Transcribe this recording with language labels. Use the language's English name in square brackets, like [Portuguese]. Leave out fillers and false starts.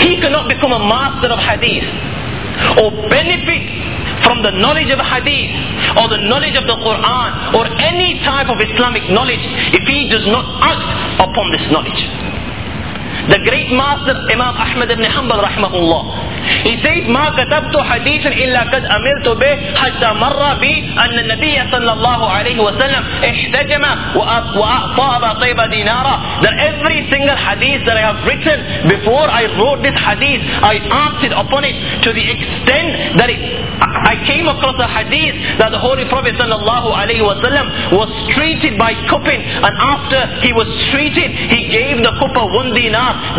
[English] to not become a master of hadith or benefit from the knowledge of hadith or the knowledge of the Quran or any type of Islamic knowledge if he does not act upon this knowledge. The great master Imam Ahmad ibn Hanbal rahimahullah, he says, [Arabic] ما كتبت حديثا إلا قد أمرت به حتى مر بي أن النبي صلى الله عليه وسلم احتجم وأعطى أبا طيبة دينارا. [English] That every single hadith that I have written, before I wrote this hadith, I acted upon it to the extent that I came across a hadith that the Holy Prophet [Arabic] صلى الله عليه وسلم [English] was treated by cupping, and after he was treated, he gave the cupper 1 dinar.